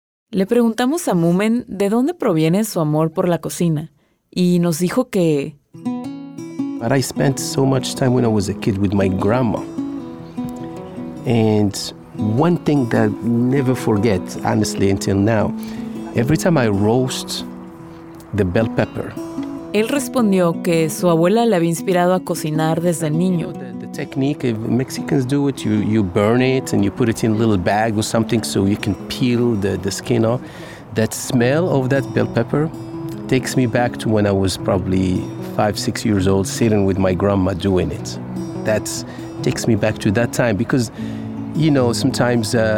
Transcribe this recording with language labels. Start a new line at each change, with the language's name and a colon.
Spanish: Le preguntamos a Moomin de dónde proviene su amor por la cocina, y nos dijo que...
English: But I spent so much time when I was a kid with my grandma. And one thing that I'll never forget, honestly, until now, every time I roast the bell pepper.
Spanish: Él respondió que su abuela le había inspirado a cocinar desde niño.
English: You know, the technique, if Mexicans do it, you burn it and you put it in a little bag or something so you can peel the skin off. That smell of that bell pepper takes me back to when I was probably 5-6 years old, sitting with my grandma doing it. That takes me back to that time because, you know, sometimes...